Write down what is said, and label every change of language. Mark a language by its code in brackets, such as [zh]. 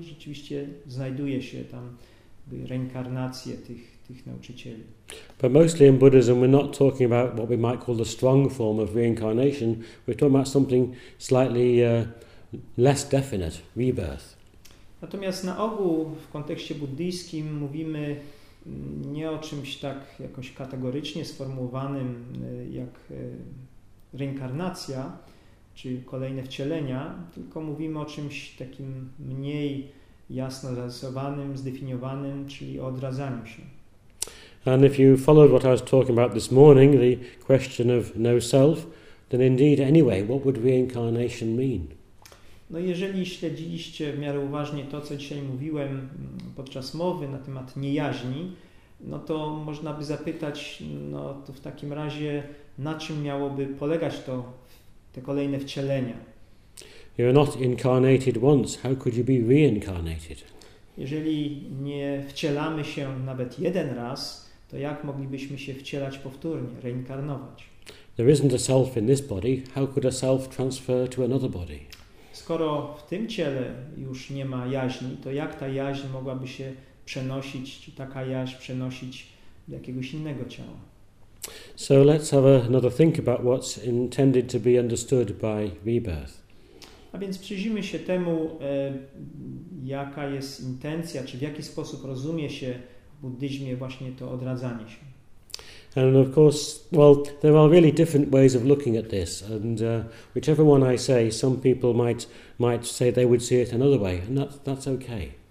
[pl] Rzeczywiście znajduje się tam reinkarnację tych nauczycieli. [en] But mostly in Buddhism we're not talking about what we might call the strong form of reincarnation. We're talking about something slightly less definite, rebirth. [pl] Natomiast na ogół w kontekście buddyjskim mówimy nie o czymś tak jakoś kategorycznie sformułowanym jak reinkarnacja, czy kolejne wcielenia, tylko mówimy o czymś takim mniej jasno zarysowanym, zdefiniowanym, czyli o odradzaniu się. [en] And if you followed what I was talking about this morning, the question of no self, then indeed, anyway, what would reincarnation mean? [pl] No, jeżeli śledziliście w miarę uważnie to, co dzisiaj mówiłem podczas mowy na temat niejaźni, no to można by zapytać, no to w takim razie, na czym miałoby polegać to, te kolejne wcielenia? [en] You are not incarnated once, how could you be reincarnated? [pl] Jeżeli nie wcielamy się nawet jeden raz, to jak moglibyśmy się wcielać powtórnie, reinkarnować? [en] There isn't a self in this body, how could a self transfer to another body? [pl] Skoro w tym ciele już nie ma jaźni, to jak ta jaźń mogłaby się przenosić, czy taka jaźń przenosić do jakiegoś innego ciała? [en] So let's have another think about what's intended to be understood by rebirth. [pl] A więc przyjrzyjmy się temu, jaka jest intencja, czy w jaki sposób rozumie się w buddyzmie właśnie to odradzanie się. [en] And of course, well, there are really different ways of looking at this, and whichever one I say, some people might say they would see it another way, and that's okay.